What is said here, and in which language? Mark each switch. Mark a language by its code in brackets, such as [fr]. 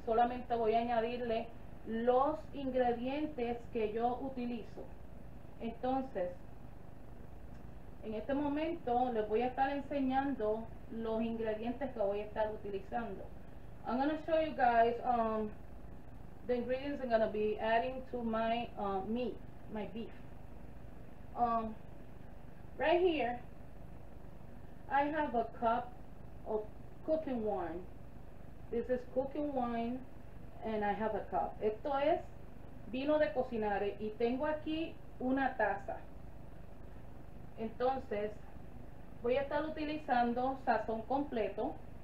[es] Solamente voy a añadirle los ingredientes que yo utilizo. Entonces, en este momento les voy a estar enseñando los ingredientes que voy a estar utilizando. [en] I'm gonna show you guys the ingredients I'm gonna be adding to my meat, my beef. Right here, I have a cup of cooking wine. This is cooking wine, and I have a cup. [es] Esto es vino de cocinar, y tengo aquí una taza. Entonces, voy a estar utilizando sazón completo.